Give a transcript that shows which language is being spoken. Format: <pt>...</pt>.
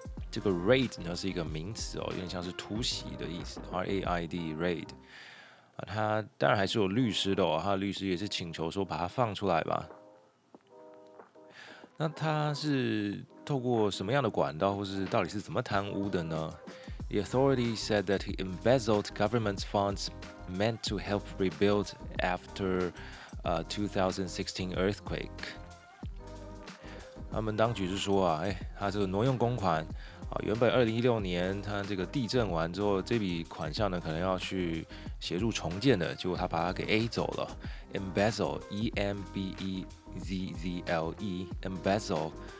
<zh>这个 raid 呢是一个名词哦，有点像是突袭的意思 ，r a i d raid。他当然还是有律师的哦，他的律师也是请求说把他放出来吧。那他是透过什么样的管道，或是到底是怎么贪污的呢？</zh> <en>The authorities said that he embezzled government funds meant to help rebuild after a 2016 earthquake.</en> <zh>他们当局是说啊，哎，他这个挪用公款啊，原本2016年他这个地震完之后，这笔款项呢可能要去协助重建的，结果他把它给 A 走了。</zh> <en>Embezzle, E-M-B-E-Z-Z-L-E, embezzle.</en>